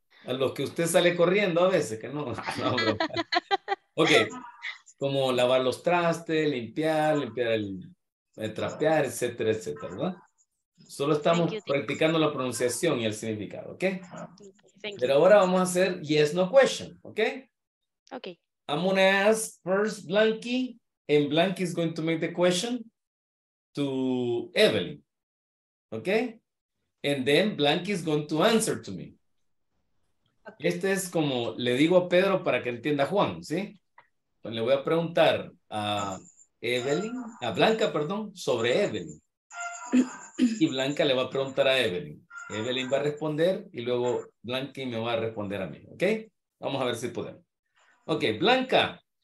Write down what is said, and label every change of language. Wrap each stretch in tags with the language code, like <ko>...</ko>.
<es>A los que usted sale corriendo a veces, que no. Ok, como lavar los trastes, limpiar el trapear, etcétera, etcétera, ¿verdad? Solo estamos practicando la pronunciación y el significado, ¿ok? Pero ahora vamos a hacer yes, no question, ¿ok?</es> <en>Ok. I'm going to ask first Blanky, and Blanky is going to make the question to Evelyn, okay? And then Blanky is going to answer to me. Okay.</en> <es>Este es como le digo a Pedro para que entienda a Juan, ¿sí? Pues le voy a preguntar a Evelyn, a Blanca, perdón, sobre Evelyn. Y Blanca le va a preguntar a Evelyn. Evelyn va a responder y luego Blanky me va a responder a mí, ¿okay? Vamos a ver si podemos. Okay, Blanca,</es>